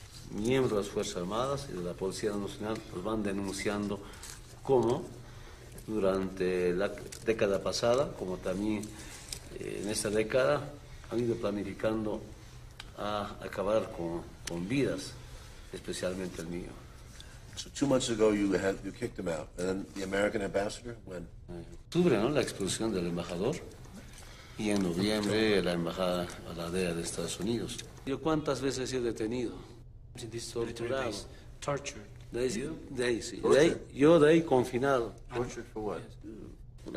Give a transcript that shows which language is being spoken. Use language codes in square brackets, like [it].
[es] Miembros de las Fuerzas Armadas y de la Policía Nacional nos van denunciando cómo durante la década pasada, como también en esta década, han ido planificando a acabar con vidas, especialmente el mío. [en] So 2 months ago, you kicked him out, and then the American ambassador, when? [es] Octubre, ¿no? La expulsión del embajador, y en noviembre la embajada a la DEA de Estados Unidos. Yo cuántas veces he sido detenido, torturado, [en] tortured. [es] De ahí confinado. [en] Tortured for what? Yes.